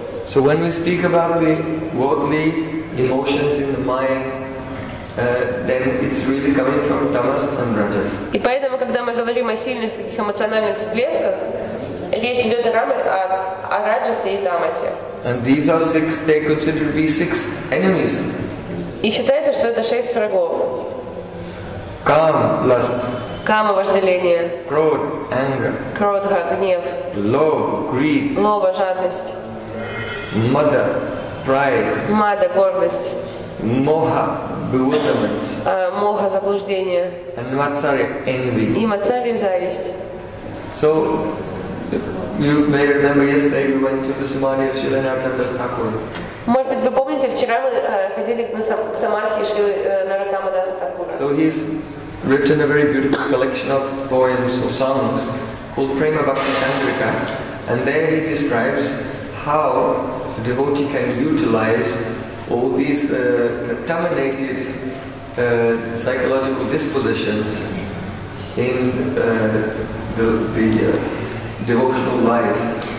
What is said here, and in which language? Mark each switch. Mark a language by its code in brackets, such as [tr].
[en] So when we speak about the worldly emotions in the mind, then it's really coming from tamas and rajas. [ru] И поэтому, когда мы говорим о сильных таких эмоциональных всплесках, речь идет о раме, о раджасе и тамасе. [en] And these are six, they consider to be six enemies. [ru] И считается, что это шесть врагов. [en] Kama, lust. [ru] Кама, вожделение. [en] Крод, anger. [ru] Кродха, гнев. [en] Love, greed. [ru] Лоба, жадность. [en] Мада, pride. [ru] Мада, гордость. [en] Моха, bewilderment. [ru] Моха, заблуждение. [en] And Matsari, envy. [ru] И Матсари, зависть. [en] So, you may remember yesterday we went to the Samadhi of Shilanartha Thakur. [ru] Может быть, вы помните, вчера мы ходили на Самадхи Шриланартха Дастакура. [en] So he's written a very beautiful collection of poems or songs called Prema Bhakti Chandrika. And there he describes how a devotee can utilize all these contaminated psychological dispositions in the devotional life.